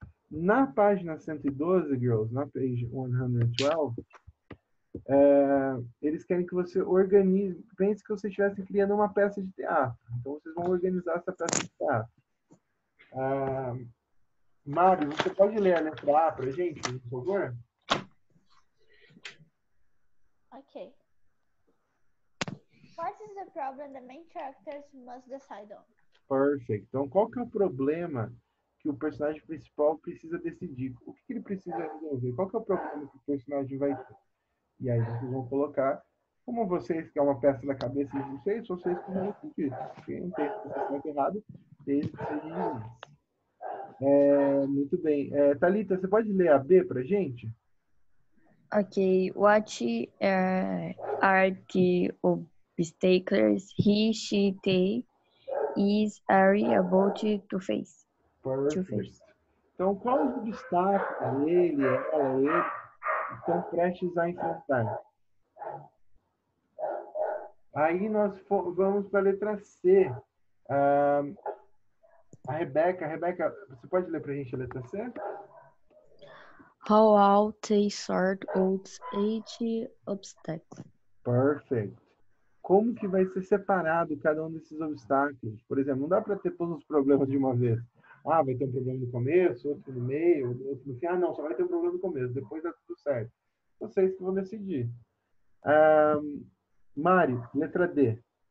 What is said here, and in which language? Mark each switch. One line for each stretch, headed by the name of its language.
Portuguese: Na página 112, girls, na page 112, eles querem que você organize, pense que você estivesse criando uma peça de teatro. Então, vocês vão organizar essa peça de teatro. Mário, você pode ler a letra A para a gente, por favor? Ok.
English: What is the problem the main characters must decide on? Perfect.
Portuguese: Então, qual que é o problema que o personagem principal precisa decidir? O que ele precisa resolver? Qual que é o problema que o personagem vai ter? E aí vocês vão colocar, como vocês, que é uma peça da cabeça de vocês, são vocês que vão decidir. Quem tem que decidir errado, tem que decidir mais. Muito bem. Thalita, você pode ler a B pra gente? Ok.
English: What are the obstacles he, she, they is about to face? Perfect.
Portuguese: Então, qual é o destaque dele, ela, ele estão prestes a enfrentar? Aí nós vamos para a letra C. A Rebeca, você pode ler para a gente a letra C?
English: How all they sort out each obstacle.
Portuguese: Perfect. Como que vai ser separado cada um desses obstáculos? Por exemplo, não dá para ter todos os problemas de uma vez. Ah, vai ter um problema no começo, outro no meio, outro no fim. Ah, não, só vai ter um problema no começo. Depois dá tudo certo. Vocês que vão decidir. Mari, letra D.